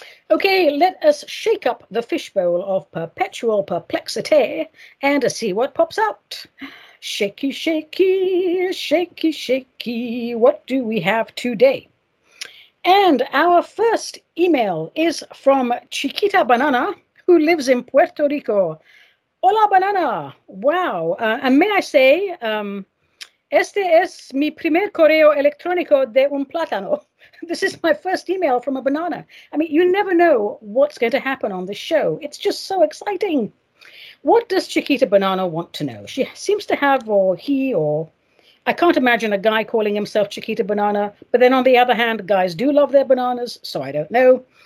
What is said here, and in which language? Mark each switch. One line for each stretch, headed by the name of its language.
English: Okay, let us shake up the fishbowl of perpetual perplexity and see what pops out. Shaky, shaky, shaky, shaky. What do we have today? And our first email is from Chiquita Banana, who who lives in Puerto Rico. Hola, banana. Wow. And may I say,
Spanish: este es mi primer correo electrónico de un plátano.
English: This is my first email from a banana. I mean, you never know what's going to happen on this show. It's just so exciting. What does Chiquita Banana want to know? She seems to have, or he, or I can't imagine a guy calling himself Chiquita Banana. But then on the other hand, guys do love their bananas, so I don't know.